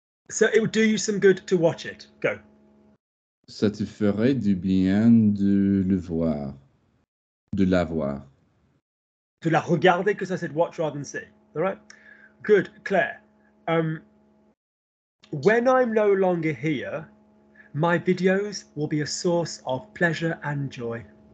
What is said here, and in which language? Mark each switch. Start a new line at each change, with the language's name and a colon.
English: So it would do you some good to watch it. Go.
French: Ça te ferait du bien de le voir. De la voir.
English: De la regarder, because I said watch rather than see. All right? Good. Claire. When I'm no longer here, my videos will be a source of pleasure and joy.